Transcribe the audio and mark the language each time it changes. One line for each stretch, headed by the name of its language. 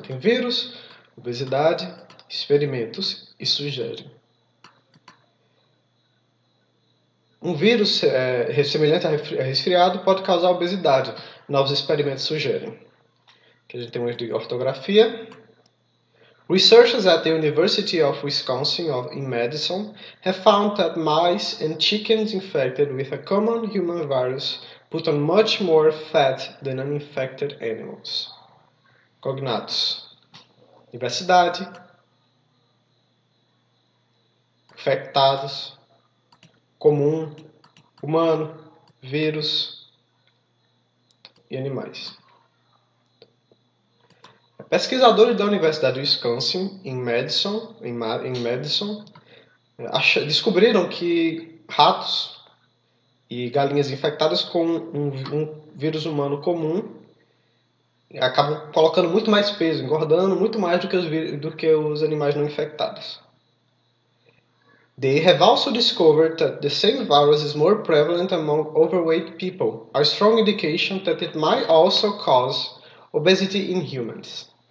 Portuguese: Tem vírus, obesidade, experimentos e sugere. Um vírus semelhante a resfriado pode causar obesidade. Novos experimentos sugerem. Aqui a gente tem um erro de ortografia.
English: Researchers at the University of Wisconsin in Madison have found that mice and chickens infected with a common human virus put on much more fat than uninfected animals.
Portuguese: Cognatos. Diversidade. Infectados. Comum. Humano, vírus e animais. Pesquisadores da Universidade de Wisconsin, em Madison, descobriram que ratos e galinhas infectadas com um vírus humano comum acabam colocando muito mais peso, engordando muito mais do que os animais não infectados.
English: They have also discovered that the same virus is more prevalent among overweight people, a strong indication that it might also cause obesity in humans.